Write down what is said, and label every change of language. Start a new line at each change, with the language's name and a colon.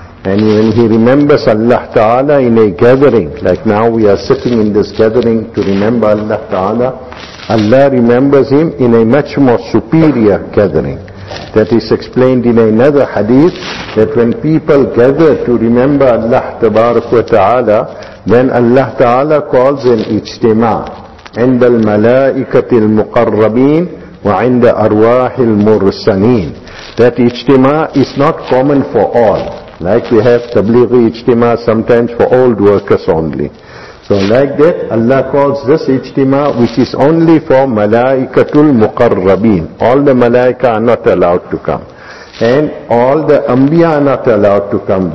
English: And when he remembers Allah Ta'ala in a gathering, like now we are sitting in this gathering to remember Allah Ta'ala, Allah remembers him in a much more superior gathering. That is explained in another hadith, that when people gather to remember Allah Tabarak wa Ta'ala, then Allah Ta'ala calls an ijtima.
Arabic: عند الملائكة المقربين وعند أرواح المرسلين.
English: That ijtima is not common for all. Like we have tablighi ijtima sometimes for old workers only. So like that, Allah calls this ijtima, which is only for
Arabic: ملائكة المقربين.
English: All the ملائكة are not allowed to come. And all the أنبياء are not allowed to come.